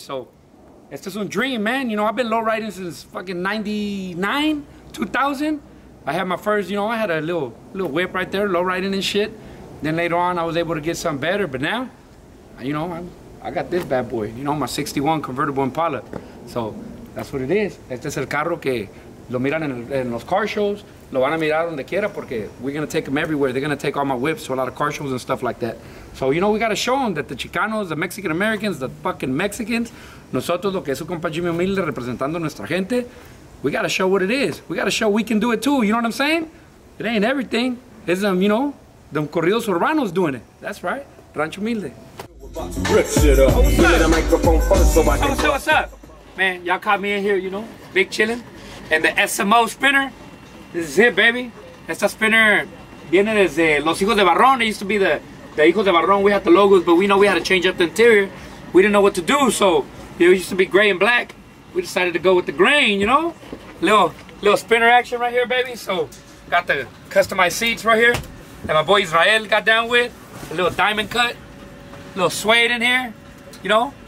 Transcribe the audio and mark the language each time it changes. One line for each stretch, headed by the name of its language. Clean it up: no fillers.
English: So, it's just a dream, man. You know, I've been low riding since fucking 99, 2000. I had my first, you know, I had a little whip right there, low riding and shit. Then later on, I was able to get something better. But now, you know, I got this bad boy. You know, my 61 convertible Impala. So, that's what it is.
Spanish: Este es el carro que lo miran en los car shows. Lo van a mirar donde quiera porque
English: we're going to take them everywhere. They're going to take all my whips to a lot of car shows and stuff like that. So, you know, we got to show them that the Chicanos, the Mexican-Americans, the fucking Mexicans,
Spanish: nosotros, lo que es su compa Jimmy Humilde representando nuestra gente,
English: we got to show what it is. We got to show we can do it too. You know what I'm saying? It ain't everything. It's them, you know, them corridos urbanos doing it. That's right. Rancho Humilde. What's up? Man, y'all caught me in here, you know, big chilling. And the SMO spinner. This is it, baby.
Spanish: Esta spinner viene desde Los Hijos de Barrón.
English: It used to be the Hijos de Barrón. We had the logos, but we know we had to change up the interior. We didn't know what to do, so it used to be gray and black. We decided to go with the grain, you know? Little spinner action right here, baby. So, got the customized seats right here that my boy Israel got down with. A little diamond cut, a little suede in here, you know?